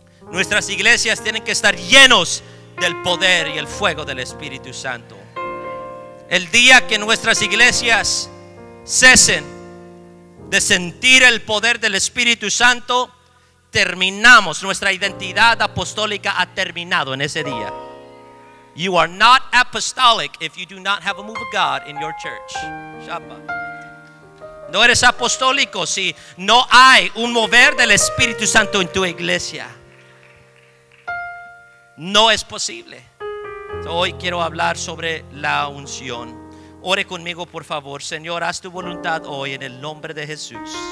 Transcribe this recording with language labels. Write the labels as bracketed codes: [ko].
[es] Nuestras iglesias tienen que estar llenos del poder y el fuego del Espíritu Santo. El día que nuestras iglesias cesen de sentir el poder del Espíritu Santo, terminamos. Nuestra identidad apostólica ha terminado en ese día. [en] You are not apostolic if you do not have a move of God in your church. Shabba. [es] No eres apostólico si no hay un mover del Espíritu Santo en tu iglesia. No es posible. Hoy quiero hablar sobre la unción. Ore conmigo, por favor. Señor, haz tu voluntad hoy en el nombre de Jesús.